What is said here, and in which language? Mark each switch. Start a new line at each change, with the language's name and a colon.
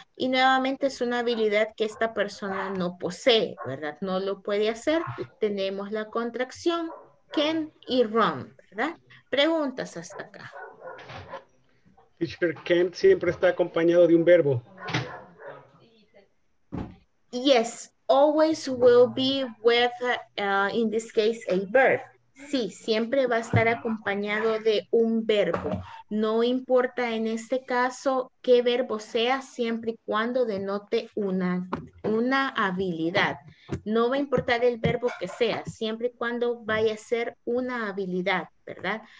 Spanish: Y nuevamente es una habilidad que esta persona no posee, ¿verdad? No lo puede hacer. Tenemos la contracción can y run, ¿verdad? Preguntas hasta acá. Teacher, can siempre está acompañado de un verbo.
English: Yes, always will be with, in this case, a verb.
Spanish: Sí, siempre va a estar acompañado de un verbo. No importa en este caso qué verbo sea, siempre y cuando denote una habilidad. No va a importar el verbo que sea, siempre y cuando vaya a ser una habilidad, ¿verdad?